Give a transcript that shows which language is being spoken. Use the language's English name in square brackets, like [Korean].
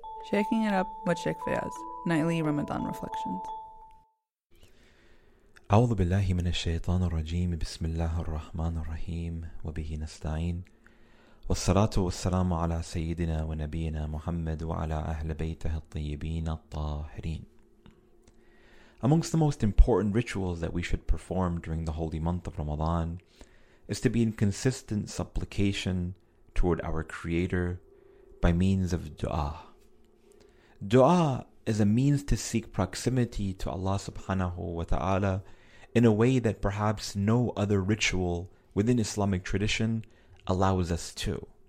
[English] Shaking it up with Sheikh Fayaz, Nightly Ramadan Reflections. [Arabic] أعوذ بالله من الشيطان الرجيم بسم الله الرحمن الرحيم وبه نستعين والصلاة والسلام على سيدنا ونبينا محمد وعلى أهل بيته الطيبين الطاهرين. [English] Amongst the most important rituals that we should perform during the holy month of Ramadan is to be in consistent supplication toward our Creator by means of dua. Dua is a means to seek proximity to Allah subhanahu wa ta'ala in a way that perhaps no other ritual within Islamic tradition allows us to.